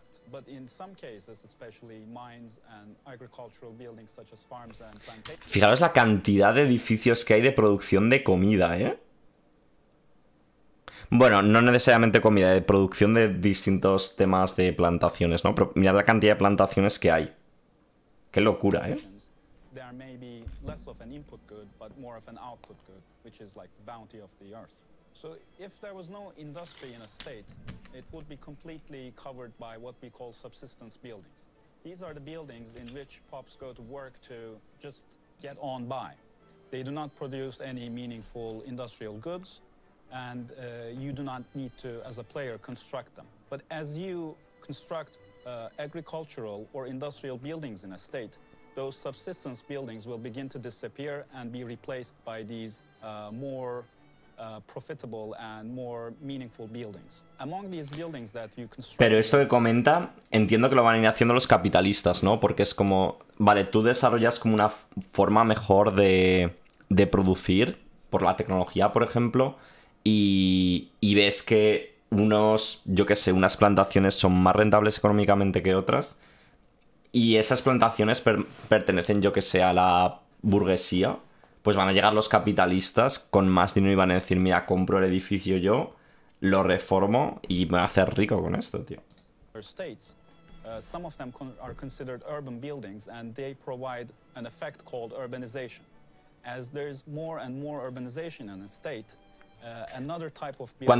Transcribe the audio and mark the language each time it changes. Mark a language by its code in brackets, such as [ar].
[en] But in some cases, especially mines and agricultural buildings such as farms and plantations. [es] Fijaros la cantidad de edificios que hay de producción de comida, ¿eh? Bueno, no necesariamente comida, de producción de distintos temas de plantaciones, ¿no? Pero mirad la cantidad de plantaciones que hay. Qué locura, ¿eh? [en] There may be less of an input good, but more of an output good, which is like the bounty of the earth. So if there was no industry in a state, it would be completely covered by what we call subsistence buildings. These are the buildings in which pops go to work to just get on by. They do not produce any meaningful industrial goods, and you do not need to, as a player, construct them. But as you construct agricultural or industrial buildings in a state, those subsistence buildings will begin to disappear and be replaced by these more profitable and more meaningful buildings. Among these buildings that you construct. [es] Pero esto que comenta, entiendo que lo van a ir haciendo los capitalistas, ¿no? Porque es como, vale, tú desarrollas como una forma mejor de producir por la tecnología, por ejemplo, y ves que unos, yo qué sé, unas plantaciones son más rentables económicamente que otras, y esas plantaciones pertenecen, yo que sé, a la burguesía. Pues van a llegar los capitalistas con más dinero y van a decir, mira, compro el edificio yo, lo reformo y me voy a hacer rico con esto, tío. [en] States, some of them are considered urban buildings and they provide an effect called urbanization. As there is more and more urbanization in a state, another type of